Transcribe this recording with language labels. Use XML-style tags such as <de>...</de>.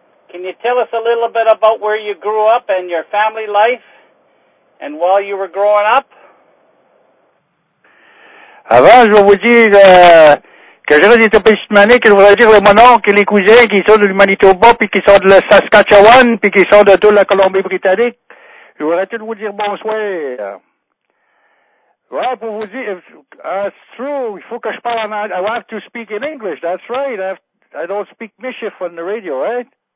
<en>Can you tell us a little bit about where you grew up and your family life and while you were growing up?</en> <fr>Avant, je vais vous dire que j'ai des petites manies que je voudrais dire mon oncle et les cousins qui sont du Manitoba puis qui sont de la Saskatchewan puis qui sont de toute la Colombie-Britannique. Je voudrais tout vous dire bonsoir. Well, pour vous dire,</fr> <en>it's true.</en> <fr>Il faut que je parle en anglais.</fr> <en>I have to speak in English. That's right. I don't speak Machif on the radio, right?</en>